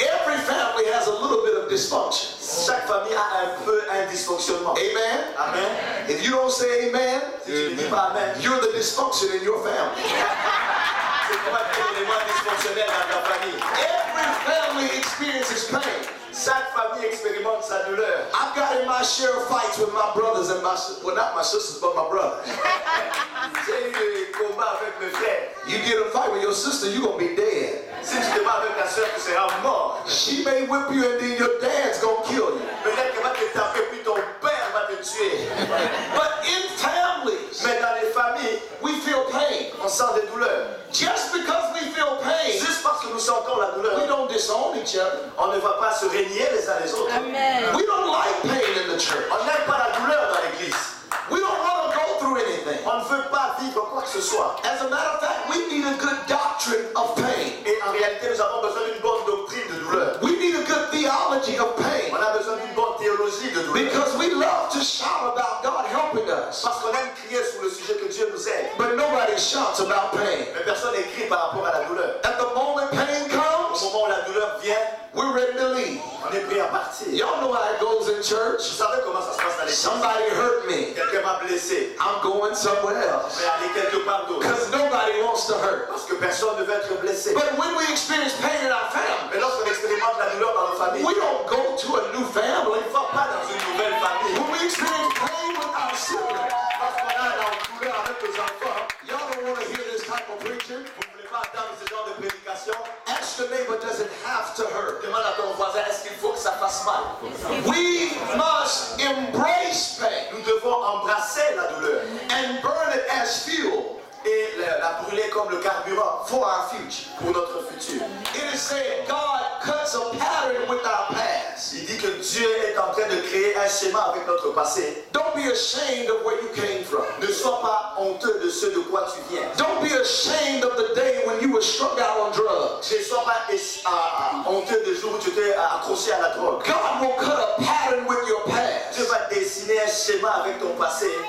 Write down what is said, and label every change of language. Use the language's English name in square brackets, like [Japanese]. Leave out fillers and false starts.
[English] Every family has a little bit of dysfunction. [French] Chaque famille a un peu un dysfonctionnement. Amen. Amen. [English] If you don't say amen, [French] si tu ne dis pas amen, [English] you're the dysfunction in your family. [French] C'est toi qui es le moins dysfonctionnel dans ta famille. [English] Every family experiences pain. [French] Chaque famille expérimente sa douleur. [English] I've got in my share of fights with my brothers and my sisters. Well, not my sisters, but my brothers. [French] J'ai eu des combats avec mes frères. [English] You get a fight with your sister, you're gonna be dead. [French] Si tu te bats avec ta soeur, tu seras mort. [English] She may whip you and then your dad's gonna kill you. [French] Peut-être qu'elle va te taper puis ton père va te tuer. [English] But in families, [French] mais dans les familles, [English] we feel pain. [French] On sent des douleurs. [English] Just because we feel pain, [French] juste parce que nous sentons la douleur, [English] we don't disown each other. [French] On ne va pas se renier les uns les autres. [English] Amen. We don't like pain in the church. [French] On n'aime pas la douleur dans l'église. [English] We don't want to go through anything. [French] On ne veut pas vivre quoi que ce soit. [English] As a matter of fact, we need a good doctrine of pain. [French] Et en réalité, nous avons besoin d'une bonne doctrine de douleur. [English] We need a good theology of pain. [French] On a besoin d'une bonne théologie de douleur. [English] Because we love to shout about God helping us. [French] Parce qu'on aime crier sur le sujet que Dieu nous aide. [English] But nobody shouts about pain. [French] Mais personne n'écrit par rapport à la douleur. [English] At the moment pain comes, [French] au moment où la douleur vient, [English] we're ready to leave. [French] On est prêt à partir. [English] Y'all know how it goes in church. [French] Vous savez comment ça se passe à l'église. [English] Somebody hurt me. [French] Quelqu'un m'a blessé. [English] I'm going somewhere else. [French] Je vais aller quelque part d'autre. [English] Because nobody wants to hurt. [French] Parce que personne ne veut être blessé. [English] But when we experience pain in our family, [French] mais lorsqu'on expérimente la douleur dans nos familles, [English] we don't go to a new family. [French] On ne va pas dans une nouvelle famille. [English] When we experience pain with our siblings, [French] parce qu'on a la douleur avec nos enfants, [English] y'all don't want to hear this type of preaching. [French] Vous ne voulez pas entendre ce genre de prédication. [English] Ask your neighbor, does it have to hurt? [French] Demande à ton voisin, est-ce qu'il faut que ça fasse mal? [English] We must embrace pain. [French] Nous devons embrasser la douleur. [English] And burn it as fuel. [French] Et la brûler comme le carburant. [English] For our future. [French] Pour notre futur. [English] It is saying God cuts a pattern with our past. [French] Il dit que Dieu est en train de créer un schéma avec notre passé. [English] Don't be ashamed of where you came from. [French] Ne sois pas honteux de ce de quoi tu viens. [English] Don't be ashamed of the day when you were struck out on drugs. [French] Ne sois pas honteux des jours où tu étais accroché à la drogue. [English] God will cut a pattern with your past. [French] Dieu va dessiner un schéma avec ton passé.